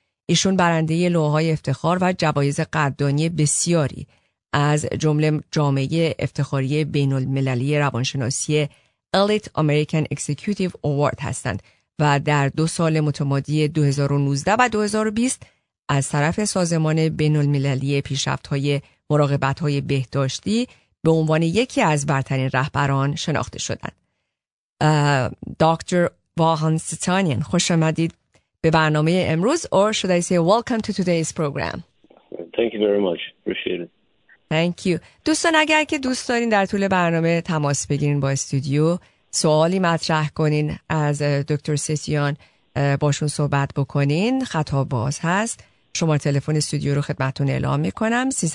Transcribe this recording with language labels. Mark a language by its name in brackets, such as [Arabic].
[Persian] ایشون برنده لوح‌های افتخار و جوایز قدردانی بسیاری از جمله جامعه افتخاری بین المللی روانشناسی Elite American Executive Award هستند و در دو سال متمادی 2019 و 2020 از طرف سازمان بین المللی پیشرفت‌های مراقبت‌های بهداشتی به عنوان یکی از برترین رهبران شناخته شدند. دکتر واهان سسیان، خوش آمدید به برنامه امروز. [English] Or should I say welcome to today's program. Thank you very much. Appreciate it. Thank you. [Persian] دوستان اگر که دوست دارین در طول برنامه تماس بگیرین با استودیو، سوالی مطرح کنین، از دکتر سسیان باشون صحبت بکنین، خطا باز هست. شما تلفن استودیو رو خدمتون اعلام میکنم: 323-512-7264.